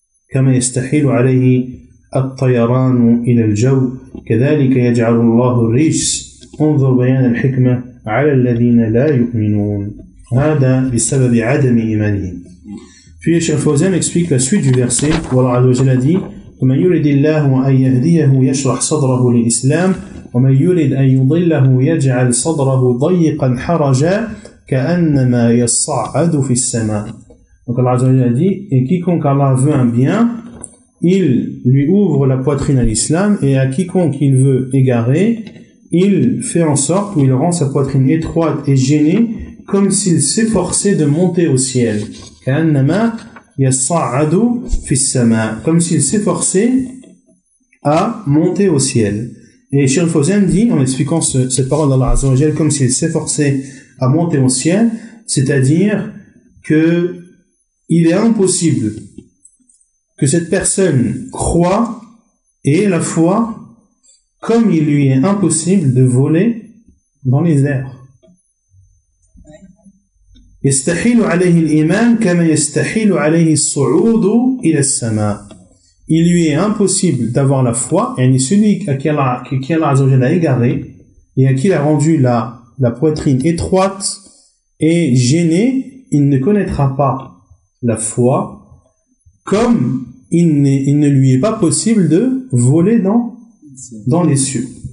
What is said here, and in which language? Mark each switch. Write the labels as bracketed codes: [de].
[ar] كما يستحيل عليه الطيران إلى الجو كذلك يجعل الله الرجس انظر بيان الحكمة على الذين لا يؤمنون هذا بسبب عدم إيمانهم. [fr] Puis Cheikh Al-Fawzan explique la suite du verset où Allah a dit [ar] ومن يرد الله أن يهديه يشرح صدره للإسلام، ومن يرد أن يضله يجعل صدره ضيقا حرجا كأنما يصعد في السماء. [fr] Donc Allah Azza wa Jalla dit, et quiconque Allah veut un bien, il lui ouvre la poitrine à l'islam, et à quiconque il veut égarer, il fait en sorte, ou il rend sa poitrine étroite et gênée, comme s'il s'efforçait de monter au ciel. [ar] كَأَنَّمَا يَصَّعَدُ فِي السَّمَاءِ. [fr] Comme s'il s'efforçait à monter au ciel. Et Cheikh Fawzan dit, en expliquant cette parole d'Allah Azza wa Jalla, comme s'il s'efforçait à monter au ciel, c'est-à-dire que il est impossible que cette personne croie et ait la foi comme il lui est impossible de voler dans les airs. [ar] يستحيل عليه الإيمان كما يستحيل عليه الصعود إلى السماء. [fr] Il lui est impossible d'avoir la foi, et celui à qui Allah Azza wa Jalla a égaré et à qui il a rendu la poitrine étroite et gênée, il ne connaîtra pas la foi, comme il ne lui est pas possible de voler dans les cieux.